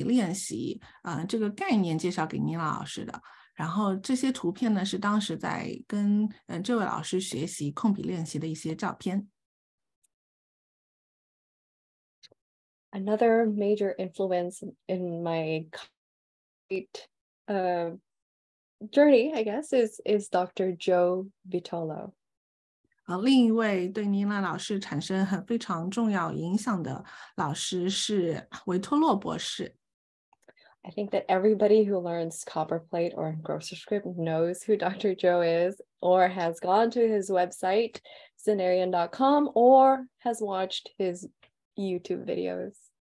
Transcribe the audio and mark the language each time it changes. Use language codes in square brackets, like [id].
[zh] 是高博士呢把控笔练习这个概念介绍给倪老师的。 [en] Another major influence in my journey, I guess, is Dr. Joe Vitolo. [zh] 另一位对倪娜老师产生很非常重要影响的老师是维托洛博士。 [en] I think that everybody who learns Copperplate or Grocer Script knows who Dr. Joe is, or has gone to his website, scenarian.com, or has watched his YouTube videos.